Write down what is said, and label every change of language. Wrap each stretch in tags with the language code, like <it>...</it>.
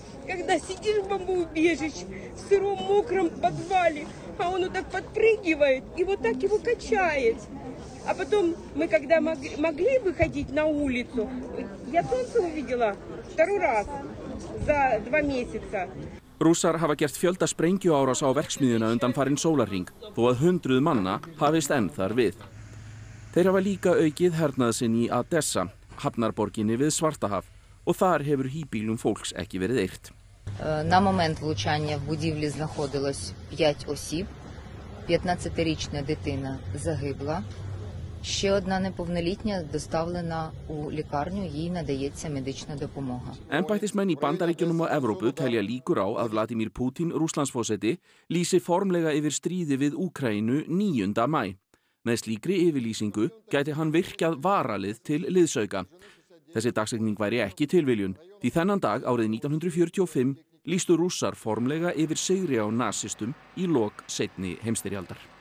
<ru>Когда сидишь в бомбоубежище, в сыром мокром подвале, а он вот так подпрыгивает и вот так его качает. А потом мы когда могли выходить на улицу, я солнце увидела второй раз за два месяца.</ru> <is>Rússar hafa gert fjölda sprengjuárása á verksmiðjuna undanfarinn sólarhring, þó að hundruð manna hafist enn þar við. Þeir hafa líka aukið hernað sinn í Adessa, hafnarborginni við Svartahaf, og þar hefur híbýlum fólks ekki verið eirt.</is> <uk>На момент влучання в будівлі знаходилось 5 осіб. 15-річна дитина загибла. Ще одна неповнолітня доставлена у лікарню, їй надається медична допомога.</uk> <is>Embættismenn í Bandaríkjunum og Evrópu telja líkur á að Vladimir Putin, Rússlandsforseti, lýsi formlega yfir stríði við Úkraínu 9. maí. Með slíkri yfirlýsingu gæti hann virkjað varalið til liðsauka. Þessi dagsetning væri ekki tilviljun, því þennan dag árið 1945 lýstu Rússar formlega yfir sigri á nasistum í lok seinni heimsstyrjaldar.</is>